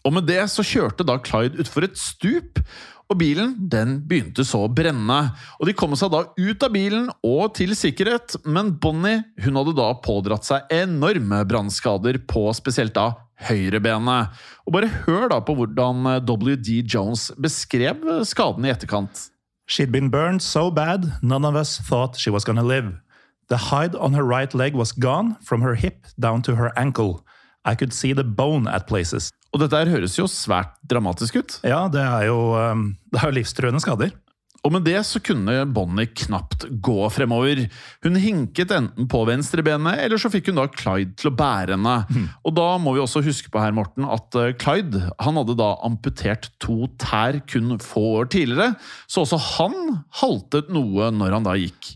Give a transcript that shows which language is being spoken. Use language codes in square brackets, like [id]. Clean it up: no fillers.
[no] Og med det så kjørte da Clyde ut for et stup, og bilen den begynte så å brenne. Og de kom seg da ut av bilen og til sikkerhet, men Bonnie hun hadde da pådratt seg enorme brandskader på spesielt da høyre benet. Og bare hør da på hvordan WD Jones beskrev skaden i etterkant. [en] She'd been burned so bad, none of us thought she was gonna live. The hide on her right leg was gone from her hip down to her ankle. I could see the bone at places. [no] Og dette her høres jo svært dramatisk ut. Ja, det er jo livstruende skader. Og med det så kunne Bonnie knapt gå fremover. Hun hinket enten på venstrebenet, eller så fikk hun da Clyde til å bære henne. Mm. Og da må vi også huske på her, Morten, at Clyde, han hadde da amputert to tær kun få år tidligere, så også han haltet noe når han da gikk.